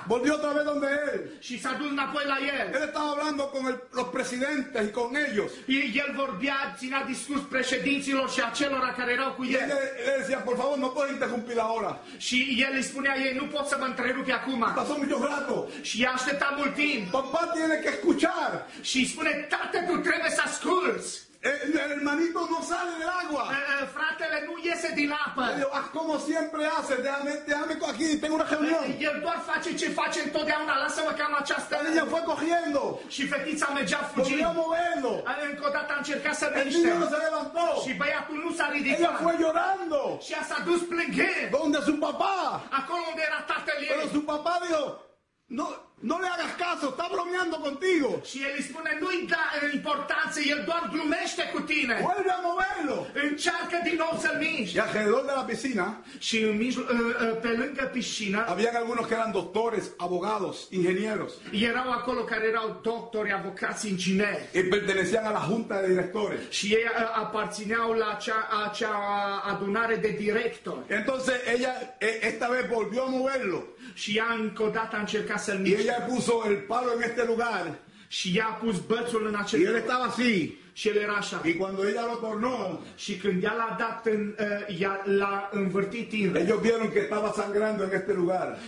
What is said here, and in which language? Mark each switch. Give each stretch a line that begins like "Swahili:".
Spanish: Volvió otra vez donde él.
Romanian: Și s-a dus înapoi la el.
Spanish: Él estaba hablando con los presidentes y con ellos.
Romanian: Și el vorbea, ținea discurs președinților și acelora care erau cu el.
Spanish: Y ella le decía, por favor, no puedes interrumpir ahora.
Romanian: Și el îi spunea, ei, nu pot să mă întrerupi acum.
Spanish: Pasó mucho rato.
Romanian: Și a așteptat mult timp.
Spanish: Papá tiene que escuchar.
Romanian: Și spune, tate, tu trebuie să asculți.
Spanish: El hermanito no sale del agua.
Romanian: Fratele nu iese din apă.
Spanish: Yo, como siempre hace, déjame aquí, tengo una reunión.
Romanian: Y el doar face ce face întotdeauna, lasă-mă cam această.
Spanish: El niño fue cogiendo.
Romanian: Și fetița mergea fugind.
Spanish: Volvió moviendo.
Romanian: Încă o dată a încercat să
Spanish: miște. El niño no se levantó.
Romanian: Și băiatul nu s-a ridicat.
Spanish: Ella fue llorando.
Romanian: Și a s-a dus plângând.
Spanish: ¿Dónde su papá?
Romanian: Acolo unde era tatăl ei.
Spanish: Pero su papá dijo, no. No le hagas caso, está bromeando contigo.
Romanian: Și el îi spune, nu-i da importanță, el doar glumește cu tine.
Spanish: Vuelve a moverlo.
Romanian: Încearcă din nou să-l miști.
Spanish: Y alrededor de la piscina.
Romanian: Și în mijloc, pe lângă piscina.
Spanish: Habían algunos que eran doctores, abogados, ingenieros.
Romanian: Y erau acolo care erau doctori, avocați, ingineri.
Spanish: Y pertenecían a la junta de directores.
Romanian: Și ei aparțineau la acea adunare de directori.
Spanish: Entonces ella esta vez volvió a moverlo.
Romanian: Și ea încă o dată a încercat să-l miște.
Spanish: Y ella puso el palo en este lugar.
Romanian: Și ea a pus bățul în acel
Spanish: loc. Y él estaba así.
Romanian: Și el era așa.
Spanish: Y cuando ella lo tornó.
Romanian: Și când ea l-a dat în, ea l-a învârtit în.
Spanish: Ellos vieron que estaba sangrando en este lugar.